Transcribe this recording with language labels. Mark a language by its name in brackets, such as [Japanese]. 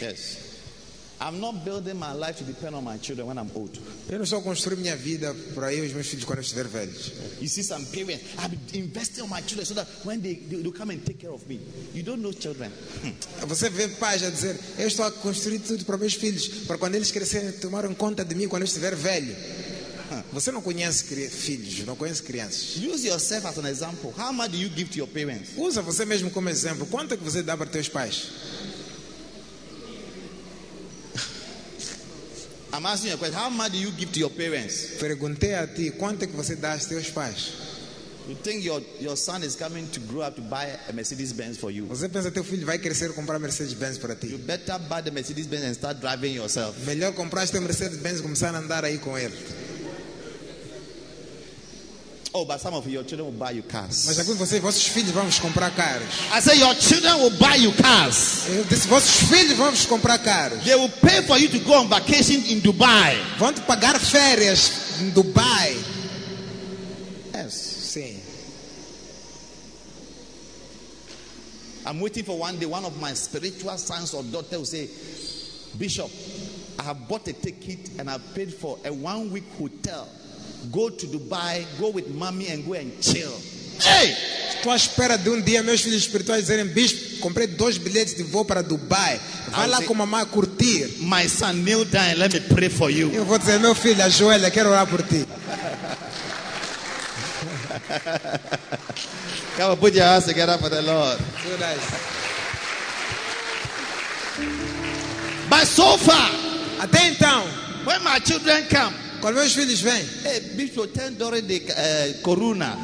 [English] Yes, I'm not building my life to depend on my children when I'm old. [Portuguese] Eu não estou construindo minha vida para eu e os meus filhos quando eu estiver velho. [English] You see some parents, I've been investing on my children so that when they come and take care of me. You don't know children. [Portuguese] Você vê pais a dizer, eu estou a construir tudo para meus filhos, para quando eles crescerem tomarem conta de mim quando eu estiver velho. Você não conhece filhos, não conhece crianças. [English] Use yourself as an example. How much do you give to your parents? [Portuguese] Usa você mesmo como exemplo. Quanto é que você dá para teus pais? [English] I'm asking you a question. How much do you give to your parents? [Portuguese] Perguntei a ti, quanto é que você dá aos teus pais? [English] You think your son is coming to grow up to buy a Mercedes Benz for you? [Portuguese] Você pensa teu filho vai crescer comprar Mercedes Benz para ti? [English] You better buy the Mercedes Benz and start driving yourself. [Portuguese] Melhor comprar este Mercedes Benz e começar a andar aí com ele. [English] Oh, but some of your children will buy you cars. [Portuguese] Mas alguns de vocês, vossos filhos vão vos comprar carros. [English] I say your children will buy you cars. [Portuguese] Disse, vossos filhos vão vos comprar carros. [English] They will pay for you to go on vacation in Dubai. [Portuguese] Vão te pagar férias em Dubai. [English] Yes, [Portuguese] sim. [English] I'm waiting for one day one of my spiritual sons or daughter will say, Bishop, I have bought a ticket and I've paid for a 1 week hotel. Go to Dubai, go with mommy and go and chill. Hey! [Portuguese] Estou à espera de um dia meus filhos espirituais dizerem, Bispo, comprei 2 bilhetes de voo para Dubai. Vai lá com mamãe curtir. [English] My son, kneel down, let me pray for you. [Portuguese] Eu vou dizer, meu filho, ajoelha, quero orar por ti. [English] Come on, put your hands together for the Lord. So nice. But so far, [Portuguese] até então, [English] when my children come, [Portuguese] quando meus filhos vêm? [English] Hey, Bishop, $10 de corona.